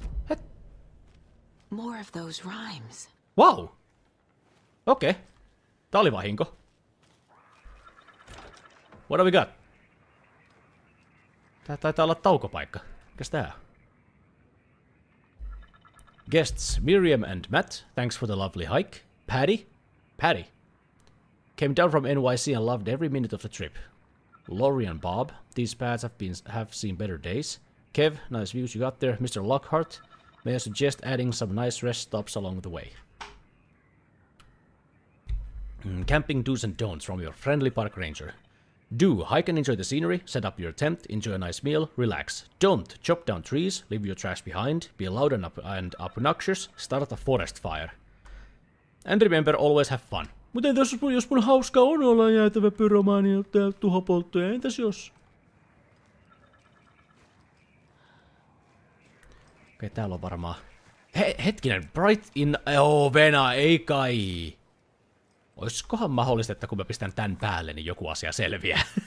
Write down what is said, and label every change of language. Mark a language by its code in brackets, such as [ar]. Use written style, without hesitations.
[en] Het. More of those rhymes. [fi] Wow. Okei. Okay. Tää oli vahinko. [en] What have we got? [fi] Tää taitaa olla taukopaikka. Mikäs tää? [en] Guests Miriam and Matt, thanks for the lovely hike. Patty? Patty. Came down from NYC and loved every minute of the trip. Laurie and Bob, these pads have seen better days. Kev, nice views you got there. Mr. Lockhart, may I suggest adding some nice rest stops along the way. Camping do's and don'ts from your friendly park ranger. Do, hike and enjoy the scenery, set up your tent, enjoy a nice meal, relax. Don't, chop down trees, leave your trash behind, be loud and obnoxious, start a forest fire. And remember, always have fun. [fi] Mutta entäs jos mun hauska on olla jäätävä pyromaani ja ottaa tuhopolttoja, entäs jos? Okei, täällä on varmaan... Hetkinen, Bright in... Oh, Vena, ei kai! Oiskohan mahdollista, että kun mä pistän tän päälle, niin joku asia selviää.